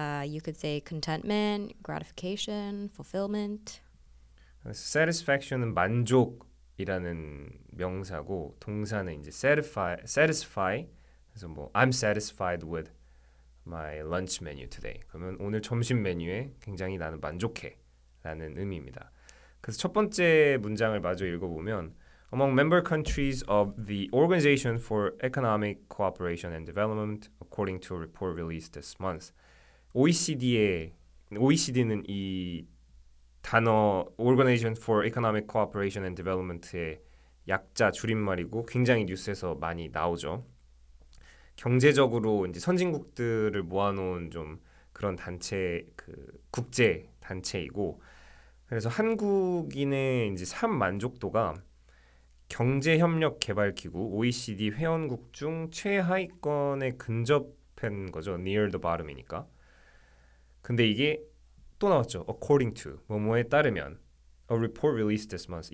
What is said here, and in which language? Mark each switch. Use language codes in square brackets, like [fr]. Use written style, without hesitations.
[en] You could say contentment, gratification, fulfillment. [ko] Satisfaction은 만족이라는 명사고 동사는 이제 satisfy. 그래서 뭐 [en] I'm satisfied with my lunch menu today. [ko] 그러면 오늘 점심 메뉴에 굉장히 나는 만족해 라는 의미입니다. 그래서 첫 번째 문장을 마저 읽어보면 [en] Among member countries of the Organization for Economic Cooperation and Development, according to a report released this month, [ko] OECD는 이 단어 [en] Organization for Economic Cooperation and Development의 [ko] 약자 줄임말이고 굉장히 뉴스에서 많이 나오죠. 경제적으로 이제 선진국들을 모아놓은 좀 그런 단체, 그 국제 단체이고 그래서 한국인의 이제 삶 만족도가 경제협력개발기구 OECD 회원국 중 최하위권에 근접한 거죠. [en] Near the bottom [ko] 이니까. 근데 이게 또 나왔죠. [en] According to [ko] 뭐뭐에 따르면 [en] A report released this month.